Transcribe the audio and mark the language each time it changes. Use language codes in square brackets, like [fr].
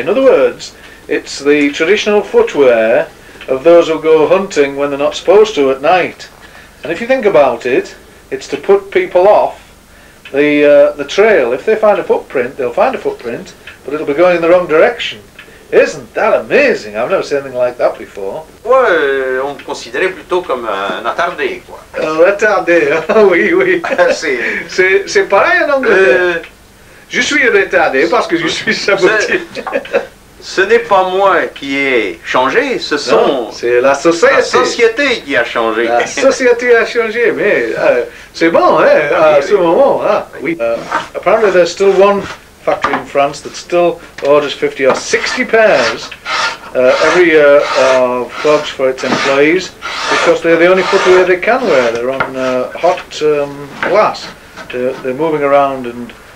[en] In other words, it's the traditional footwear of those who go hunting when they're not supposed to at night. And if you think about it, it's to put people off the trail. If they find a footprint, they'll find a footprint, but it'll be going in the wrong direction. Isn't that amazing? I've never seen anything like that before. [fr] Ouais, on considérait plutôt comme un attardé, quoi. Un attardé, oui, oui. c'est pareil en anglais. Je suis retardé parce que je suis saboté. Ce n'est pas moi qui ai changé, ce sont... Non, c'est la société. La société qui a changé. La société a changé, mais c'est bon, hein, à ce moment. Ah, oui. [en] Apparently there's still one factory in France that still orders 50 or 60 pairs every year of clogs for its employees because they're the only footwear they can wear. They're on hot glass. They're moving around and...